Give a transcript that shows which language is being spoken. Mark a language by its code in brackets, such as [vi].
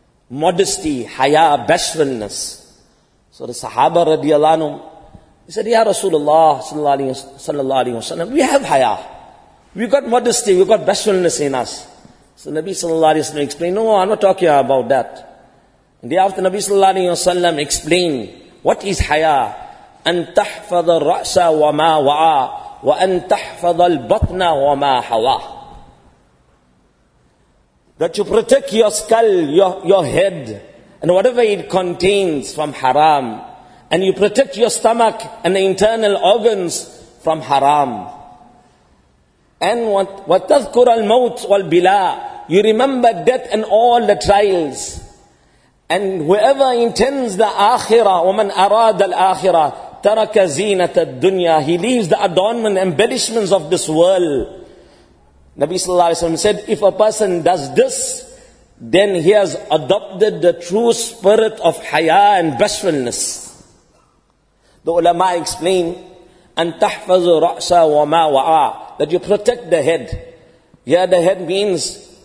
[en] Modesty, haya, bashfulness. So the Sahaba radiallahu anhu, he said, Ya Rasulullah sallallahu alayhi wa sallam, we have haya. We got modesty, we got bashfulness in us. So Nabi sallallahu alayhi wa sallam explained, no, I'm not talking about that. The after Nabi sallallahu alayhi wa sallam explained, what is haya? [ar] أن تحفظ الرأس وما وعى وأن تحفظ البطن وما حوى. [en] That you protect your skull, your head, and whatever it contains from haram. And you protect your stomach and the internal organs from haram. [ar] And وتذكر الموت والبلاء. [en] You remember death and all the trials. And whoever intends the akhirah, [ar] وَمَنْ أَرَادَ الْآخِرَةِ تَرَكَ زِينَةَ الدُّنْيَا. [en] He leaves the adornment, embellishments of this world. Nabi sallallahu alayhi wa sallam said, if a person does this, then he has adopted the true spirit of haya and bashfulness. The ulama explain, [ar] أَنْ تَحْفَظُ رَأْسَ وَمَا وَعَى. [en] That you protect the head. Yeah, the head means